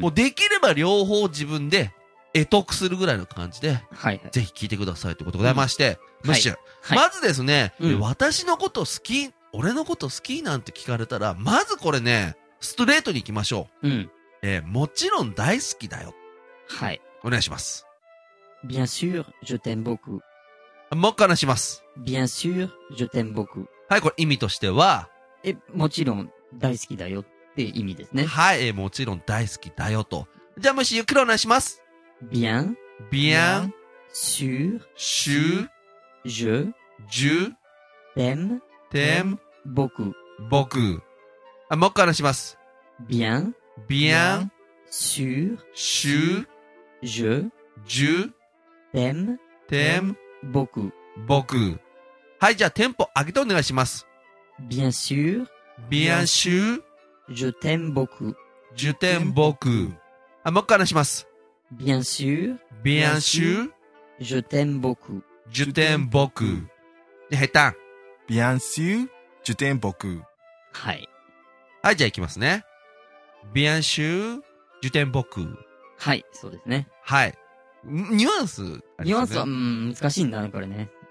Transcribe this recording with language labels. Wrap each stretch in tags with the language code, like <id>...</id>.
<ja>もうできれば両方自分で得得するぐらいの感じで、はいはい、ぜひ聞いてくださいということでございまして、うん、ムッシュ、はい、まずですね、はい、私のこと好き、俺のこと好きなんて聞かれたら、まずこれね、ストレートに行きましょう。うん。もちろん大好きだよ。はい。お願いします。</ja> <fr>Bien sûr, je t'aime beaucoup。</fr> <ja>もう一回話します。</ja> <fr>Bien sûr, je t'aime beaucoup。</fr> <ja>はい、これ意味としては、もちろん大好きだよって意味ですね。はい、もちろん大好きだよと。じゃあ、もしゆっくりお願いします。</ja> <fr>Bien, bien, sûr, sûr, je, je, t'aime, t'aime, 僕。僕。</fr> <ja>もう一回話します。</ja> <fr>bien, bien, sûr, sûr, je, je, t'aime, t'aime, 僕。僕。</fr> <ja>はい、じゃあテンポ上げてお願いします。</ja> <fr>bien sûr, bien sûr, je t'aime beaucoup, je t'aime beaucoup.</fr> <ja>もう一回話します。</ja> <fr>bien sûr, bien sûr, je t'aime beaucoup, je t'aime beaucoup.</fr> <ja>で、下手。</ja> <fr>Bien sûr, je t'aime beaucoup.</fr> <ja>はい。はい、じゃあ行きますね。</ja> <fr>Bien sûr, je t'aime beaucoup.</fr> <ja>はい、そうですね。はい。ニュアンス、ニュアンスは、難しいんだね、これね。</ja>